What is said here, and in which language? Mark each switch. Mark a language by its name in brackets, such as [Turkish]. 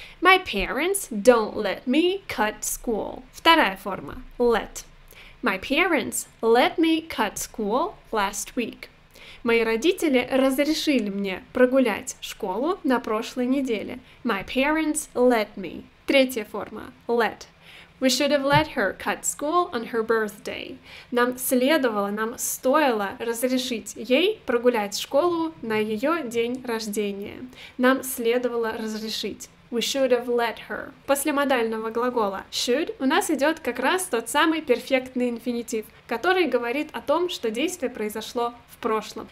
[English] My parents don't let me cut school. [Russian] Вторая форма, [English] let. My parents let me cut school last week. [Russian] Мои родители разрешили мне прогулять школу на прошлой неделе. [English] My parents let me. [Russian] Третья форма. [English] Let. We should have let her cut school on her birthday. [Russian] Нам следовало, нам стоило разрешить ей прогулять школу на ее день рождения. Нам следовало разрешить. [English] We should have let her. [Russian] После модального глагола should у нас идет как раз тот самый перфектный инфинитив, который говорит о том, что действие произошло в прошлом.